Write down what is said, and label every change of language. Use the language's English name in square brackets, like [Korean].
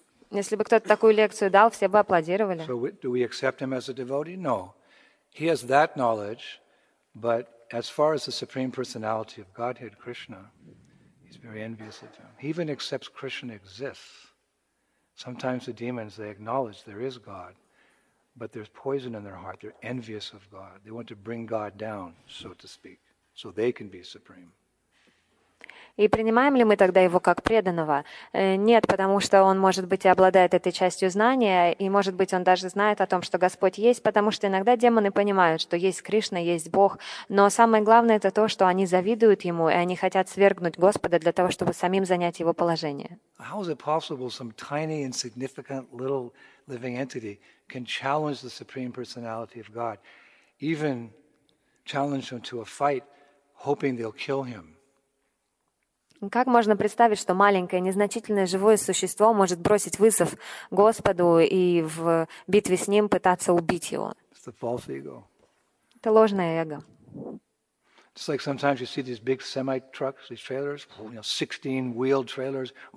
[Russian] Если бы кто-то такую лекцию дал, все бы аплодировали. [English] So do we accept him as a devotee? No. He has that knowledge, but as far as the Supreme Personality of Godhead, Krishna, he's very envious of him. He even accepts Krishna exists. Sometimes the demons, they acknowledge there is God, but there's poison in their heart. They're envious of God. They want to bring God down, so to speak, so they can be supreme. [Russian] И принимаем ли мы тогда его как преданного? Нет, потому что он, может быть, и обладает этой частью знания, и, может быть, он даже знает о том, что Господь есть, потому что иногда демоны понимают, что есть Кришна, есть Бог. Но самое главное — это то, что они завидуют ему, и они хотят свергнуть Господа для того, чтобы самим занять его положение. [English] How is it possible some tiny, insignificant, little living entity can challenge the Supreme Personality of God, even challenge him to a fight, hoping they'll kill him? [Russian] Как можно представить, что маленькое, незначительное живое существо может бросить вызов Господу и в битве с Ним пытаться убить Его? Это ложное эго. [English] It's like sometimes you see these big semi-trucks, these trailers, you know, 16-wheeled trailers.